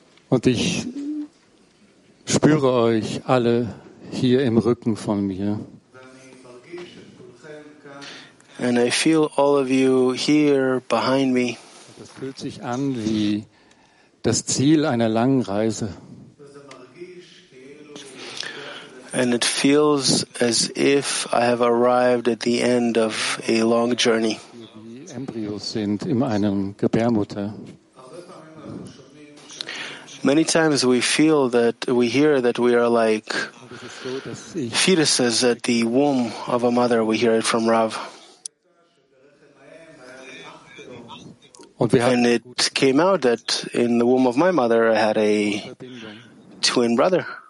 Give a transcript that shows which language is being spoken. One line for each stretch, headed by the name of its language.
German: Und ich spüre euch alle hier im Rücken von mir.
English: And I feel all of you here behind me.
German: Das fühlt sich an wie das Ziel einer langen Reise.
English: And it feels as if I have arrived at the end of a long journey.
German: Die Embryos sind in einem Gebärmutter.
English: Many times we feel that we hear that we are like fetuses at the womb of a mother. We hear it from Rav. And it came out that in the womb of my mother I had a twin brother.